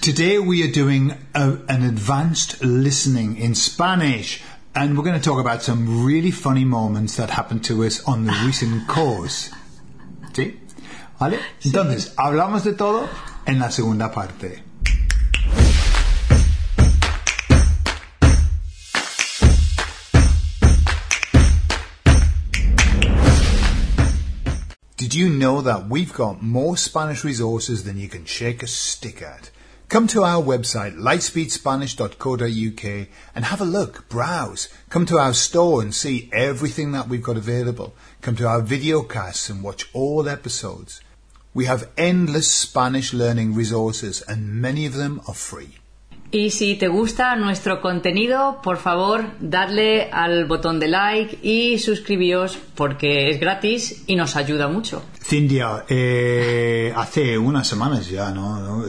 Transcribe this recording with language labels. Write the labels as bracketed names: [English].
[English] Today we are doing an advanced listening in Spanish, and we're going to talk about some really funny moments that happened to us on the recent course. [Spanish] ¿Sí? ¿Vale? Sí. Entonces, hablamos de todo en la segunda parte. [English] Did you know that we've got more Spanish resources than you can shake a stick at? Come to our website, lightspeedspanish.co.uk, and have a look, browse. Come to our store and see everything that we've got available. Come to our videocasts and watch all episodes. We have endless Spanish learning resources, and many of them are free. [Spanish] Y si te gusta nuestro contenido, por favor, dadle al botón de like y suscribíos porque es gratis y nos ayuda mucho. Cindia, hace unas semanas ya, ¿no?